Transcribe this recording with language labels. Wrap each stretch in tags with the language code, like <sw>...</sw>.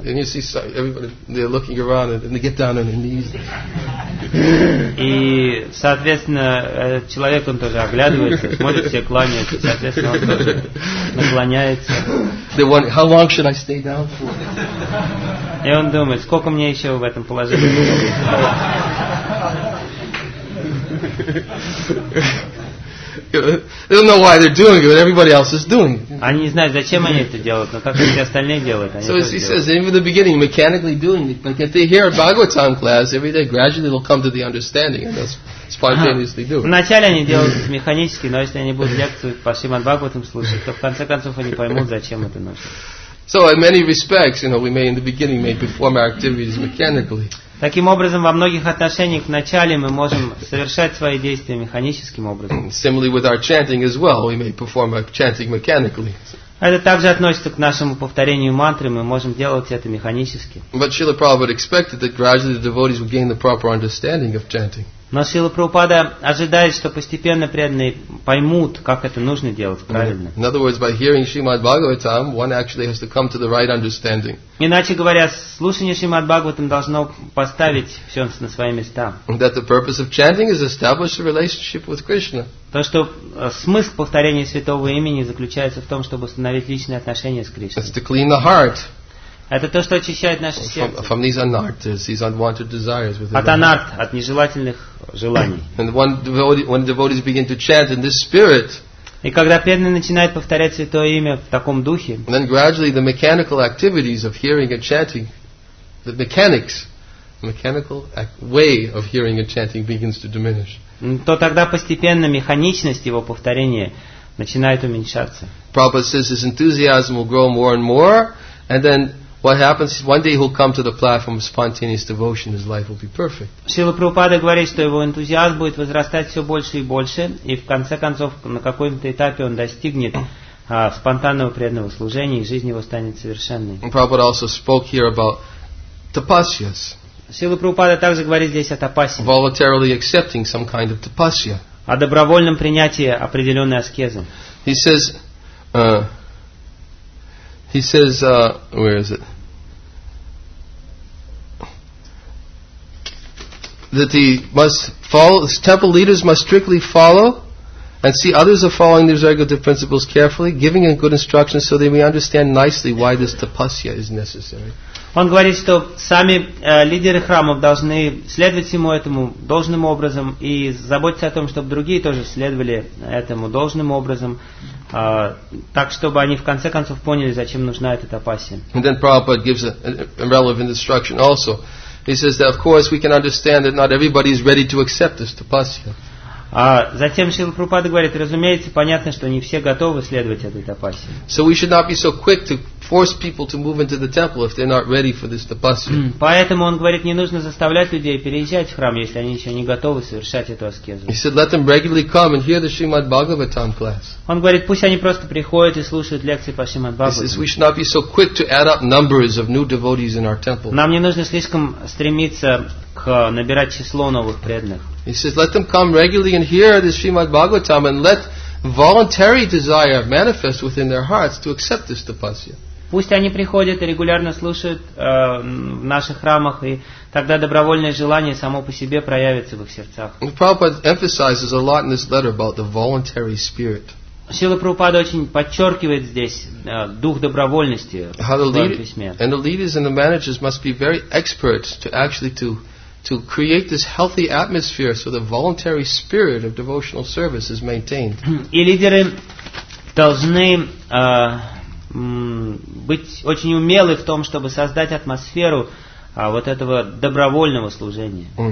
<ru>И, соответственно, этот человек, он тоже оглядывается, смотрит, все кланяются, соответственно, он тоже наклоняется.</ru> <en>How long should I stay down for?</en> <ru>И он думает, сколько мне еще в этом положении?</ru> <en>They don't know why they're doing it, but everybody else is doing it.</en> <ru>Они не знают, зачем они это делают, но как все остальные делают, они.</ru> <en>So he says, even in the beginning, mechanically doing it, but if they hear a Bhagavatam class every day, gradually they'll come to the understanding and they'll spontaneously do it.</en> <ru>Вначале они делают это механически, но если они будут лекцию по Шримад Бхагаватам слушать, то в конце концов они поймут, зачем это нужно.</ru> <en>So in many respects, you know, we may in the beginning may perform our activities mechanically.</en> <ru>Таким образом, во многих отношениях вначале мы можем совершать свои действия механическим образом.</ru> <en>Similarly with our chanting as well, we may perform our chanting mechanically.</en> <ru>Это также относится к нашему повторению мантры, мы можем делать это механически.</ru> <en>But Srila Prabhupada expected that gradually the devotees would gain the proper understanding of chanting.</en> <ru>Но Шрила Прабхупада ожидает, что постепенно преданные поймут, как это нужно делать правильно.</ru> <en>In other words, by hearing Srimad Bhagavatam, one actually has to come to the right understanding.</en> <ru>Иначе говоря, слушание Шримад Бхагаватам должно поставить все на свои места.</ru> <en>That the purpose of chanting is establish a relationship with Krishna.</en> <ru>То, что смысл повторения святого имени заключается в том, чтобы установить личные отношения с Кришной.</ru> <en>It's to clean the heart.</en> <ru>Это то, что очищает наше сердце.</ru> <en>From these anarthas, these unwanted desires within.</en> <ru>От анарт, от нежелательных желаний.</ru> <en>And when devotees begin to chant in this spirit.</en> <ru>И когда преданные начинают повторять святое имя в таком духе.</ru> <en>Then gradually the mechanical activities of hearing and chanting, the mechanical way of hearing and chanting begins to diminish.</en> <ru>То тогда постепенно механичность его повторения начинает уменьшаться.</ru> <en>Prabhupada says his enthusiasm will grow more and more, and then what happens is one day he'll come to the platform of spontaneous devotion, his life will be perfect.</en> <ru>Шрила Прабхупада говорит, что его энтузиазм будет возрастать все больше и больше, и в конце концов на каком-то этапе он достигнет спонтанного преданного служения, и жизнь его станет совершенной.</ru> <en>Prabhupada also spoke here about tapasyas.</en> <ru>Шрила Прабхупада также говорит здесь о тапасе.</ru> <en>Voluntarily accepting some kind of tapasya.</en> <ru>О добровольном принятии определенной аскезы.</ru> <en>He says, where is it? That he must follow, temple leaders must strictly follow and see others are following these regulative principles carefully, giving in good instructions so they may understand nicely why this tapasya is necessary.</en> <ru>Он говорит, что сами лидеры храмов должны следовать всему этому должным образом и заботиться о том, чтобы другие тоже следовали этому должным образом, так, чтобы они в конце концов поняли, зачем нужна эта тапасия.</ru> <en>And then Prabhupada gives a relevant instruction also. He says that, of course, we can understand that not everybody is ready to accept this tapasya.</en> <ru>Затем Шрила Прабхупада говорит, разумеется, понятно, что не все готовы следовать этой тапасе.</ru> <en>So we should not be so quick to force people to move into the temple if they're not ready for this tapasya.</en> <ru>Поэтому он говорит, не нужно заставлять людей переезжать в храм, если они еще не готовы совершать эту аскезу.</ru> <en>He said, let them regularly come and hear the Srimad Bhagavatam class.</en> <ru>Он говорит, пусть они просто приходят и слушают лекции по Шримад Бхагаватам.</ru> <en>He says, we should not be so quick to add up numbers of new devotees in our temple.</en> <ru>Нам не нужно слишком стремиться к набирать число новых преданных.</ru> <en>He says, let them come regularly and hear this Srimad Bhagavatam and let voluntary desire manifest within their hearts to accept this tapasya.</en> <ru>Пусть они приходят и регулярно слушают в наших храмах, и тогда добровольное желание само по себе проявится в их сердцах.</ru> <en>Prabhupada emphasizes a lot in this letter about the voluntary spirit.</en> <ru>Шрила Прабхупада очень подчеркивает здесь дух добровольности в своем письме.</ru> <en>And the leaders and the managers must be very expert to actually to create this healthy atmosphere so the voluntary spirit of devotional service is maintained.</en> <ru>И лидеры должны быть очень умелы в том, чтобы создать атмосферу вот этого добровольного служения.</ru>